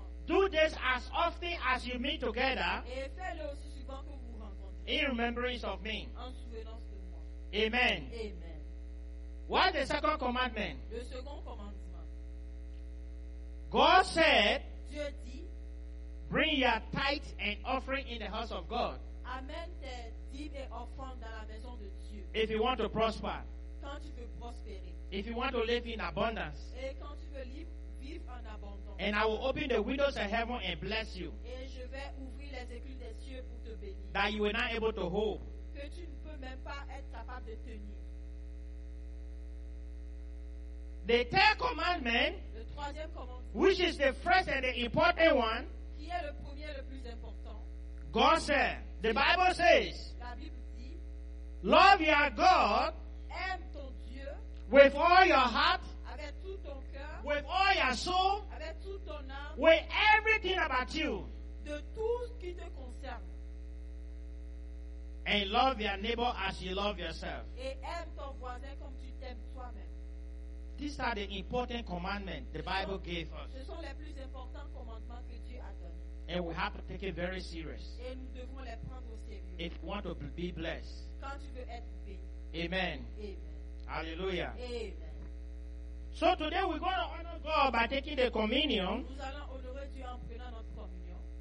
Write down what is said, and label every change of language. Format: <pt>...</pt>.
<en>Do this as often as you meet together.</en> <fr>Et fais-le aussi souvent que vous rencontrez.</fr> <en>In remembrance of me.</en> <fr>En souvenance de moi. Amen. Amen.</fr> <en>What is the second commandment?</en> <fr>Le second commandement.</fr> <en>God said,</en> <fr>Dieu dit,</fr> <en>bring your tithe and offering in the house of God. Amen.</en> <fr>Tes dîmes et offrandes dans la maison de Dieu.</fr> <en>If you want to prosper.</en> <fr>Quand tu veux prospérer.</fr> <en>If you want to live in abundance.</en> <fr>Et quand tu veux vivre.</fr> <en>And I will open the windows of heaven and bless you.</en> <fr>Et je vais ouvrir les écluses des cieux pour te bénir.</fr> <en>That you were not able to hold.</en> <fr>Que tu ne peux même pas être capable de tenir.</fr> <en>The third commandment.</en> <fr>Le</fr> <en>which is the first and the important one,</en> <fr>qui est le premier, le plus important.</fr> <en>God said, the Bible says,</en> <fr>la Bible dit,</fr> <en>love your God,</en> <fr>aime ton Dieu,</fr> <en>with all your heart,</en> <fr>avec tout ton cœur,</fr> <en>with all your soul,</en> <fr>avec tout ton âme,</fr> <en>with everything about you,</en> <fr>de tout qui te concerne.</fr> <en>And love your neighbor as you love yourself.</en> <fr>Et aime ton voisin comme tu t'aimes toi-même.</fr> <en>These are the important commandments the Bible gave us.</en> <fr>Ce sont les plus importants commandements que Dieu a donné.</fr> <en>And we have to take it very serious.</en> <fr>Et nous devons les prendre au sérieux.</fr> <en>If you want to be blessed.</en> <fr>Quand tu veux être béni. Amen. Amen. Hallelujah. Amen.</fr> <en>So today we're going to honor God by taking the communion.</en> <fr>Nous allons honorer Dieu en prenant notre communion.</fr>